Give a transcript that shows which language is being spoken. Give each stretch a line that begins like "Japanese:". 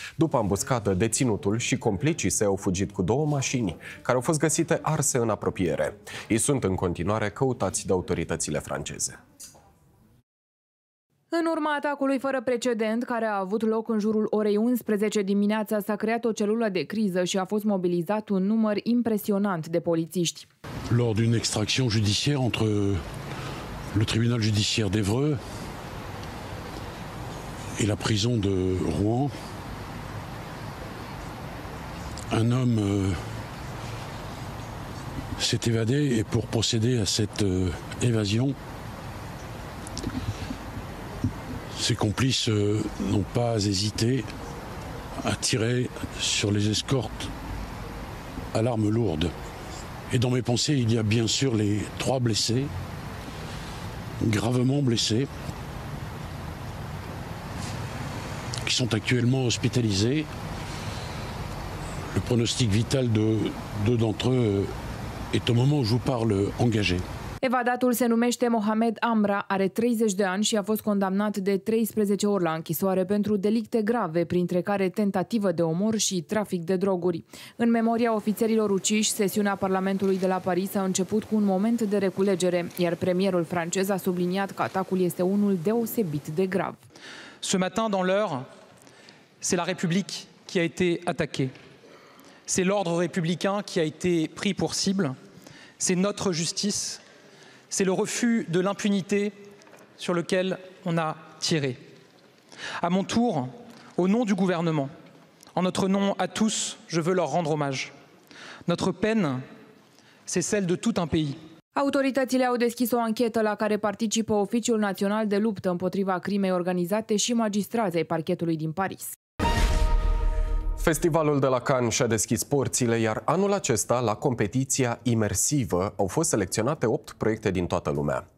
Romanian: După ambuscadă, deținutul și complicii se au fugit cu două mașini, care au fost găsite arse în apropiere. Ei sunt în continuare căutați de autoritățile franceze. În urma atacului fără precedent, care a avut loc în jurul orei 11 dimineața, s-a creat o celulă de criză și a fost mobilizat un număr impresionant de polițiști.
French: Lors d'une extraction judiciaire entre le tribunal judiciaire d'Evreux et la prison de Rouen, un homme s'est évadé et pour procéder à cette évasion, ses complices n'ont pas hésité à tirer sur les escortes à l'arme lourde. Et dans mes pensées, il y a bien sûr les trois blessés, gravement blessés, qui sont actuellement hospitalisés. Le pronostic vital de deux d'entre eux est au moment où je vous parle engagé.
Romanian: Evadatul se numește Mohamed Amra, are 30 de ani și a fost condamnat de 13 ori la închisoare pentru delicte grave, printre care tentativă de omor și trafic de droguri. În memoria ofițerilor uciși, sesiunea Parlamentului de la Paris a început cu un moment de reculegere, iar premierul francez a subliniat că atacul este unul deosebit de grav.
French: Ce matin dans l'heure, c'est la République qui a été attaquée. C'est l'ordre républicain qui a été pris pour cible. C'est notre justice. C'est le refus de l'impunité sur lequel on a tiré. À mon tour, au nom du gouvernement, en notre nom à tous, je veux leur rendre hommage. Notre peine, c'est celle de tout un pays.
Romanian: Autoritățile au deschis o anchetă la care participă Oficiul Național de Luptă împotriva crimei organizate și magistrații parchetului din Paris. Festivalul de la Cannes și-a deschis porțile, iar anul acesta, la competiția imersivă, au fost selecționate 8 proiecte din toată lumea.